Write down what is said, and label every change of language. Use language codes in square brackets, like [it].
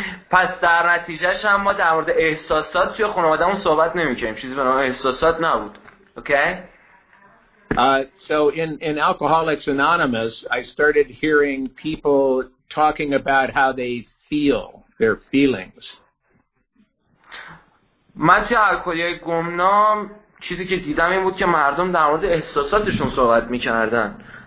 [fa] پس در نتیجهش هم ما در مورد احساسات توی خانوادمون صحبت نمی‌کنیم. چیزی به نام احساسات نبود. [en] Okay? So in Alcoholics Anonymous, I started hearing people talking about how they feel, their feelings. [fa] من توی الکلی گمنام چیزی که دیدم این بود که مردم در مورد احساساتشون صحبت می‌کردن.